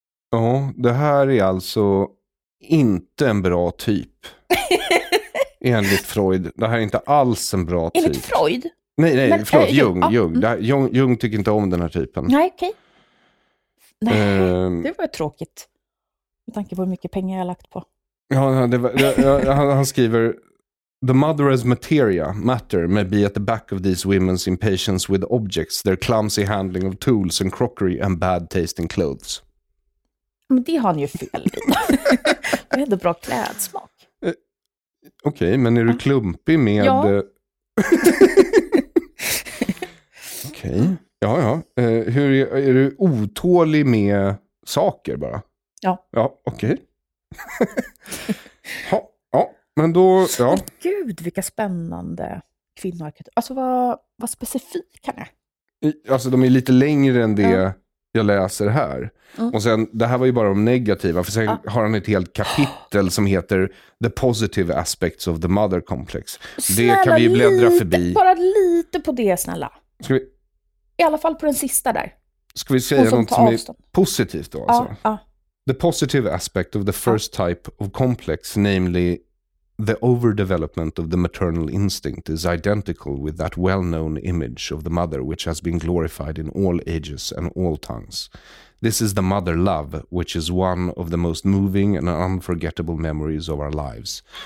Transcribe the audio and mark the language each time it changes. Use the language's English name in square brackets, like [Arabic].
[Swedish] Ja, det här är alltså inte en bra typ. Enligt Freud. Det här är inte alls en bra typ. Enligt Freud? Nej, men, förlåt, Jung. Det här, Jung tycker inte om den här typen. Nej, okej. Det var ju tråkigt. Med tanke på hur mycket pengar jag har lagt på. Ja, han skriver [English] the mother as materia, matter may be at the back of these women's impatience with objects, their clumsy handling of tools and crockery and bad tasting clothes. [Swedish] Men det har han ju fel. Det är ändå bra klädsmak. Okej, okay, men är du klumpig med... Ja. Okej. Okay. Ja. Hur är du otålig med saker bara? Ja. Ja, okej. Okay. Ja, men då ja. Gud, vilka spännande kvinnoarketyper. Alltså vad specifik kan jag? Alltså de är lite längre än det jag läser här. Mm. Och sen, det här var ju bara de negativa, för sen har han ett helt kapitel som heter The Positive Aspects of the Mother Complex. Snälla, det kan vi bläddra lite, förbi. Bara lite på det, snälla. Ska vi... I alla fall på den sista där. Ska vi säga något som är positivt då? Alltså? Ja, ja. [English] The positive aspect of the first type of complex, namely the overdevelopment of the maternal instinct, is identical with that well-known image of the mother which has been glorified in all ages and all tongues. This is the mother love, which is one of the most moving and unforgettable memories of our lives.